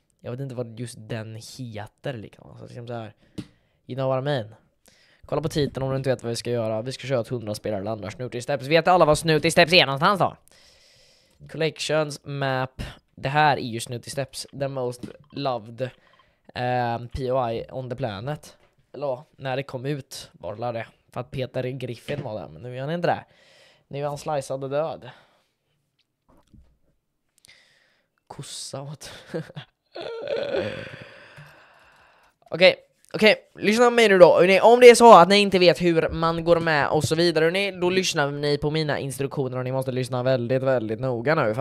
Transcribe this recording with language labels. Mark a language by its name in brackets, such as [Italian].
[Swedish] Jag vet inte vad just den heter liksom. Så liksom så här. [English] You know what I mean? [Swedish] Kolla på titeln om du inte vet vad vi ska göra. Vi ska köra ett 100 spelare landar Snooty Steps. Vet alla vad Snooty Steps är någonstans då? Collections, map. Det här är ju Snooty Steps. [English] The most loved POI on the planet. [Swedish] Eller när det kom ut var det. För att Peter Griffin var där. Men nu är han inte där. Nu är han slicead och död. Kossa. Okej. Okej, lyssna på mig nu då. Om det är så att ni inte vet hur man går med och så vidare, då lyssnar ni på mina instruktioner och ni måste lyssna väldigt, väldigt noga nu.